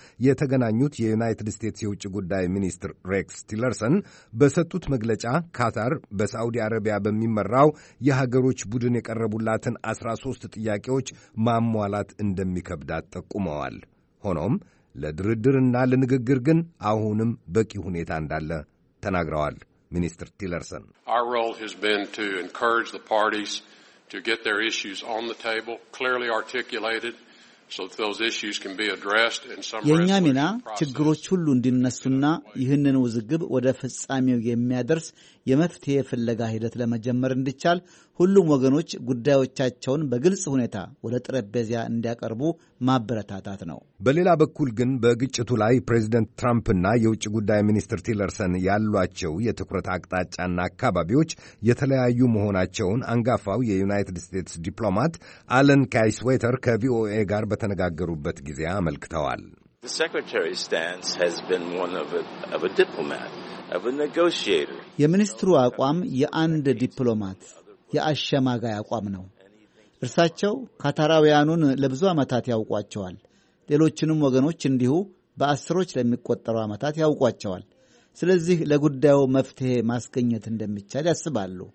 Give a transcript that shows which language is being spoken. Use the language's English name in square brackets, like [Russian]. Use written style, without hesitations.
[Amharic] የተገናኙት የዩናይትድ ስቴትስ የውጭ ጉዳይ ሚኒስትር ሬክስ ቲለርሰን በሰጡት መግለጫ ካታር በሳዑዲ አረቢያ በሚመራው የሀገሮች ቡድን የቀረቡላትን 13 ጥያቄዎች ማሟላት እንደሚከብዳት ጠቁመዋል። ሆኖም ለድርድርና ለንግግር ግን አሁንም በቂ ሁኔታ እንዳለ ተናግረዋል ሚኒስትር ቲለርሰን። [English] Our role has been to encourage the parties to get their issues on the table clearly articulated so that those issues can be addressed in some [Amharic] የኛ ሚና ችግሮች ሁሉ እንዲነሱና ይህንን ውዝግብ ወደ ፍጻሜው የሚያደርስ የመፍትሄ ፍለጋ ሂደት ለመጀመር እንዲቻል ሁሉም ወገኖች ጉዳዮቻቸውን በግልጽ ሁኔታ ወደ ጠረጴዛ እንዲያቀርቡ ማበረታታት ነው። በሌላ በኩል ግን በግጭቱ ላይ ፕሬዚደንት ትራምፕና የውጭ ጉዳይ ሚኒስትር ቲለርሰን ያሏቸው የትኩረት አቅጣጫና አካባቢዎች የተለያዩ መሆናቸውን አንጋፋው የዩናይትድ ስቴትስ ዲፕሎማት አለን ካይስዌተር ከቪኦኤ ጋር በተነጋገሩበት ጊዜ አመልክተዋል። [English] The secretary's stance has been one of a diplomat, of a negotiator. [Amharic] የሚኒስትሩ አቋም የአንድ ዲፕሎማት የአሸማጋይ አቋም ነው። እርሳቸው ካታራውያኑን ለብዙ ዓመታት ያውቋቸዋል። ሌሎችንም ወገኖች እንዲሁ በአስሮች ለሚቆጠሩ ዓመታት ያውቋቸዋል። ስለዚህ ለጉዳዩ መፍትሄ ማስገኘት እንደሚቻል ያስባሉ።